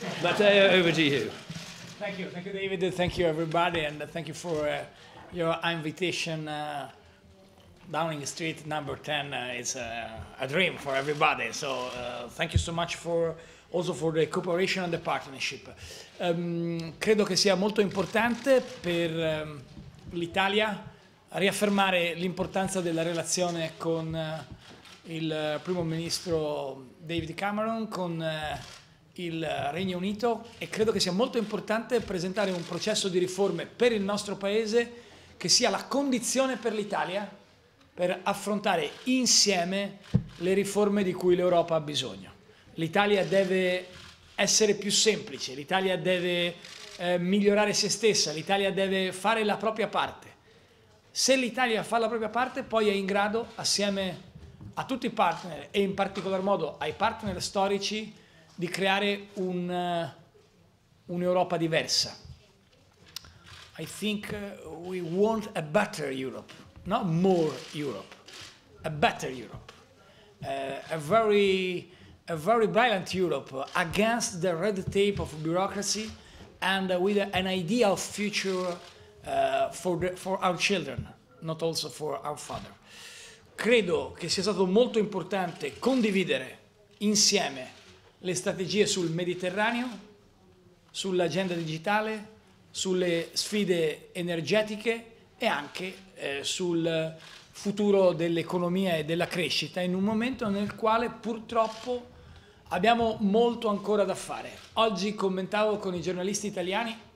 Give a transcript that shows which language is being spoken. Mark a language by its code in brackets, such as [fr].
[en] Matteo, over to you. Thank you. Thank you, David. Thank you, everybody. And thank you for your invitation. Downing Street number 10 is a dream for everybody. So thank you so much for also for the cooperation and the partnership. [it] Credo che sia molto importante per l'Italia riaffermare l'importanza della relazione con il primo ministro David Cameron, con il Regno Unito, e credo che sia molto importante presentare un processo di riforme per il nostro paese che sia la condizione per l'Italia per affrontare insieme le riforme di cui l'Europa ha bisogno. L'Italia deve essere più semplice, l'Italia deve migliorare se stessa, l'Italia deve fare la propria parte. Se l'Italia fa la propria parte, poi è in grado, assieme a tutti i partner e in particolar modo ai partner storici, di creare un'Europa diversa. [en] I think we want a better Europe. Not more Europe, a better Europe, a very brilliant Europe against the red tape of bureaucracy, and with an ideal future for our children, not also for our father. [it] Credo che sia stato molto importante condividere insieme le strategie sul Mediterraneo, sull'agenda digitale, sulle sfide energetiche e anche sul futuro dell'economia e della crescita in un momento nel quale purtroppo abbiamo molto ancora da fare. Oggi commentavo con i giornalisti italiani